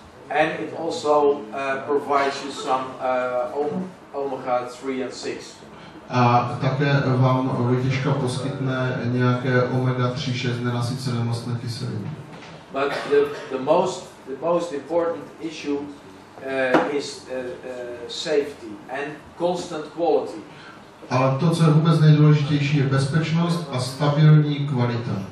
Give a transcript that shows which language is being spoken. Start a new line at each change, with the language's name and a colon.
English: And it also provides you some omega 3 and 6.
Czech: A také vám vytěžka poskytne nějaké omega 3, 6 nenasycené mastné kyseliny.
English: But the most important issue is safety and constant quality.
Czech: Ale to, co je vůbec nejdůležitější, je bezpečnost a stabilní kvalita.